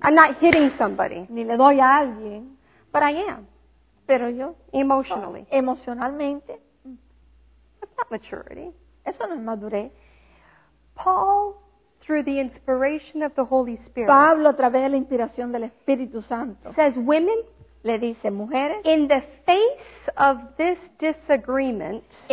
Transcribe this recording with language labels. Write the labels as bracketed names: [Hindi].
[English] I'm not hitting somebody. [Spanish] Ni le doy a alguien. [English] But I am. [Spanish] Pero yo. [English] Emotionally. [Spanish] Emocionalmente. [English] That's not maturity. [Spanish] Eso no es madurez. [English] Paul, through the inspiration of the Holy Spirit, [Spanish] Pablo, a través de la inspiración del Espíritu Santo, [English] says women, [Spanish] le dice mujeres, [English] in the face of this disagreement,